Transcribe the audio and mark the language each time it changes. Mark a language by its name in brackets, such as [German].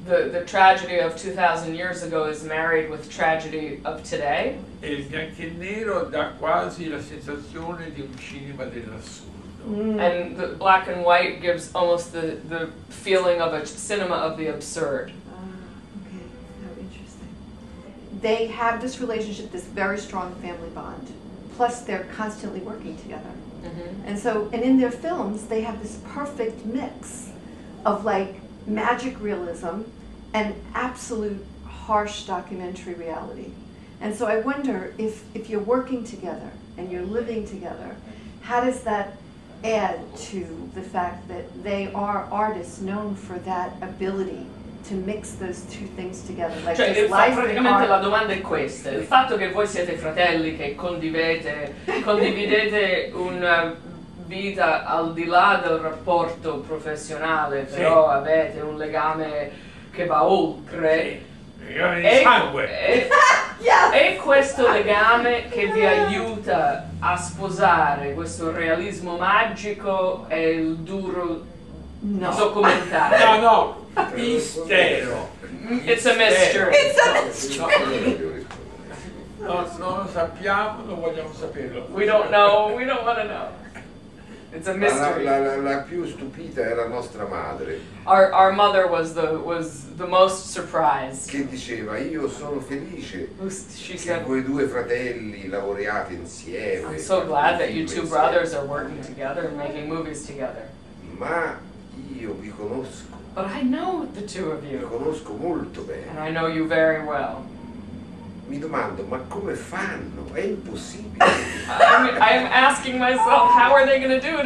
[English] The tragedy of 2,000 years ago is married with tragedy of today. [Italian] E il bianco e nero dà quasi la sensazione di un cinema dell'assurdo. [English] And the black and white gives almost the feeling of a cinema of the absurd. Okay, how interesting. They have this relationship, this very strong family bond, plus they're constantly working together. Mm-hmm. And in their films, they have this perfect mix of like magic realism and absolute harsh documentary reality. And so I wonder if you're working together and you're living together, how does that add to the fact that they are artists known for that ability to mix those two things together, like [Italian] cioè, [English] this life and art. [Italian] Praticamente la domanda è questa: il fatto che voi siete fratelli che condividete una vita al di là del rapporto professionale, però sì. Avete un legame che va oltre. Sì. Legame di sangue. È questo legame che vi aiuta a sposare questo realismo magico e il duro documentario. No. Mistero. [English] It's a mystery. It's a mystery. [Italian] No, non lo sappiamo, non vogliamo saperlo. [English] We don't know, we don't want to know. It's a mystery. [Italian] La più stupita era nostra madre. [English] Our mother was the most surprised. [Italian] Che diceva, io sono felice che voi due fratelli lavoriate insieme. [English] I'm so glad that you two brothers are working together and making movies together. [Italian] Ma io vi conosco. [English] But I know the two of you. [Italian] Vi conosco molto bene. [English] And I know you very well. [Italian] Mi domando, ma come fanno? È impossibile. [English] I'm asking myself, how are they going to do it?